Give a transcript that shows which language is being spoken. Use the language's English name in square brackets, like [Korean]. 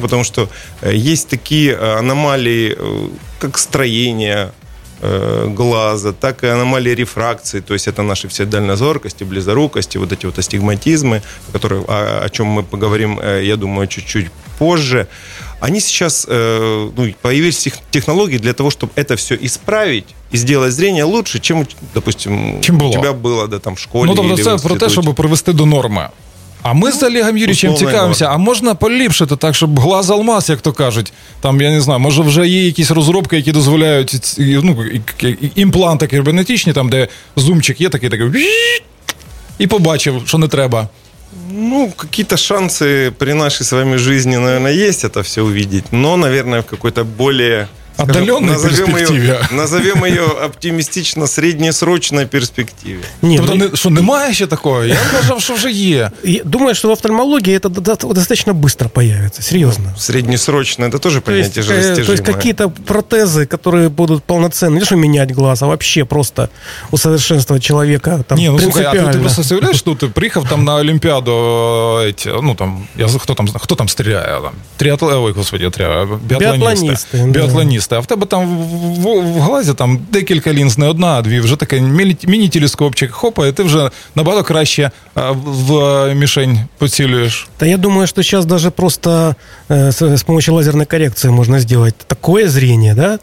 [Russian] Потому что есть такие аномалии, как строение глаза, так и аномалии рефракции, то есть это наши все дальнозоркости, близорукости, вот эти вот астигматизмы, которые, о чем мы поговорим, я думаю, чуть-чуть позже. Они сейчас, ну, появились технологии для того, чтобы это все исправить и сделать зрение лучше, чем, допустим, чем у тебя было, да, там, в школе. [Ukrainian] Ну, тобто, [Russian] или [Ukrainian] це в про те, щоб привести до норми. А ми з Олегом Юрійовичем цікавимося, а можна поліпшити так, щоб [Russian] глаз алмаз, [Ukrainian] як то кажуть, там, я не знаю, може вже є якісь розробки, які дозволяють, ну, імпланти кібернетичні, там, де зумчик є такий, такий, і побачив, що не треба. [Russian] Ну, какие-то шансы при нашей с вами жизни, наверное, есть это все увидеть, но, наверное, в какой-то более... отдаленной перспективе. Назовем ее оптимистично среднесрочной перспективе. Нет, что, нема еще такое? Я сказал, что уже есть. Думаю, что в офтальмологии это достаточно быстро появится, серьезно. Среднесрочное, это тоже понятие же достижимое. То есть какие-то протезы, которые будут полноценны, не что менять глаз, а вообще просто усовершенствовать человека там принципиально. Ты просто представляешь, что ты приехал там на Олимпиаду, ну там, кто там стреляет? Триатлон, ой, господи, биатлонисты. [Ukrainian] А в тебе там в глазі там декілька лінз, не одна, а дві, вже такий міні-телескопчик, хопа, і ти вже набагато краще в мішень поцілюєш. Та я думаю, що зараз навіть просто з допомогою лазерної корекції можна зробити таке зріння, да?